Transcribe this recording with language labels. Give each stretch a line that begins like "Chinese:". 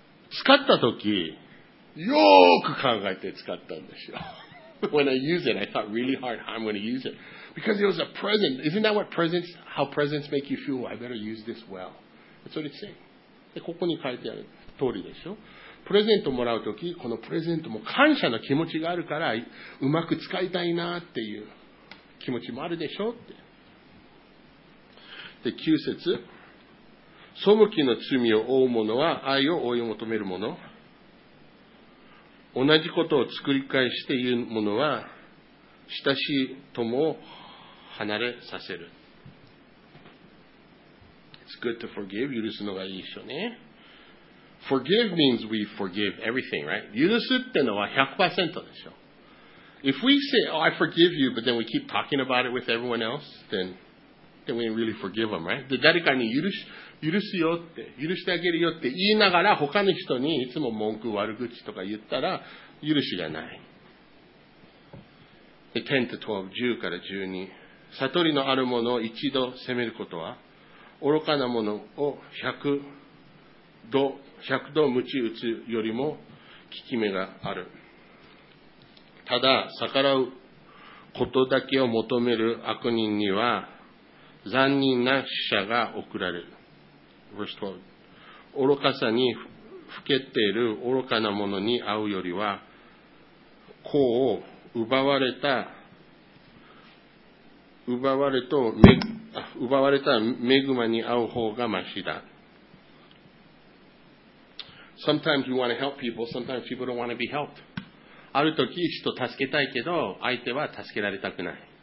Japanese: 使ったとき、よーく考えて使ったんですよ。
English: When I use it, I thought really hard how I'm going to use it. Because it was a present. Isn't that what presents, how presents make you feel? I better use this well. That's what it's saying.
Japanese: で、ここに書いてある通りでしょ。プレゼントもらうとき、このプレゼントも感謝の気持ちがあるから、うまく使いたいなっていう気持ちもあるでしょって。で、9節。背きの罪を負う者は愛を追い求める者。同じことを作り返して言う者は親しい友を離れさせる。
English: It's good to forgive.
Japanese: 許すのがいいでしょうね。
English: Forgive means we forgive everything, right?
Japanese: 許すってのは 100% でしょ。
English: If we say, oh, I forgive you, but then we keep talking about it with everyone else, then we really forgive them, right?
Japanese: 誰かに許すよって、許してあげるよって言いながら他の人にいつも文句悪口とか言ったら許しがない。
English: 10 to 12、
Japanese: 10から12。悟りのある者を一度責めることは、愚かな者を100度鞭打つよりも効き目がある。ただ、逆らうことだけを求める悪人には、残忍な死者が送られる。
English: Verse 12.
Japanese: 愚かさにふけている愚かな者に会うよりは、子を奪われた恵まに会う方がましだ。
English: Sometimes we want to help people, sometimes people don't want to be helped.
Japanese: ある時、人を助けたいけど、相手は助けられたくない。